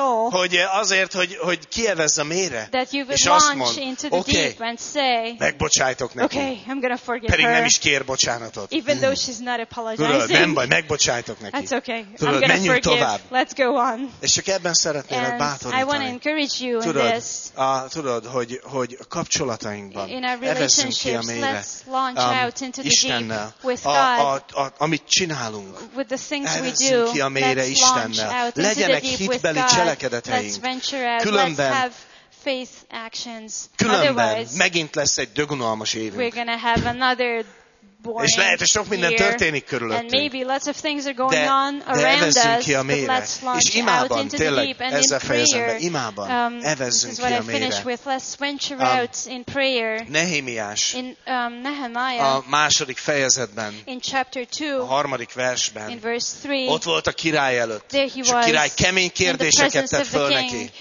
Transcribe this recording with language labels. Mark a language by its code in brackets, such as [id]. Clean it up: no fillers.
[hu] Hogy azért, hogy kievezz a mélyre, és azt mond, oké, megbocsájtok neki. [en] Okay, I'm gonna forgive [hu] pedig [en] her, [hu] nem is kér bocsánatot. [en] Even though she's not apologizing. [hu] Tudod, nem baj, megbocsájtok neki. [en] That's okay. [hu] Tudod, [en] I'm [hu] menjünk [en] forgive. [hu] Tovább. [en] Let's go on. [hu] És csak ebben szeretném. [en] And I want to encourage you in this. [hu] Tudod, hogy kapcsolatainkban evezzünk ki a mélyre. [en] Let's launch out into the [hu] Istennel, [en] deep with God. [hu] Amit csinálunk, [en] with the things we do, [hu] ki a mélyre Istennel. Legyenek hitbeli cselekedeteink. Különben [en] faith actions. [hu] Különben megint lesz egy dögunalmas évünk. [en] We're going to have another [hu] és lehet, hogy sok minden [en] here, [hu] történik körülöttünk. [en] And maybe lots of things are going on around [hu] us. De ki a [en] mélyre. But let's launch [hu] imában, [en] out into the deep and in prayer. [hu] Imában, evezzünk ki a mélyre. [en] This is what I finish with. Let's venture out in prayer. [hu] Nehémiás. [en] In Nehemiah. [hu] A második fejezetben. [en] In chapter 2. [hu] A harmadik versben. [en] In verse 3. [hu] Ott volt a király előtt. [en] There he [hu] was. És a király kemény kérdéseket tett föl neki.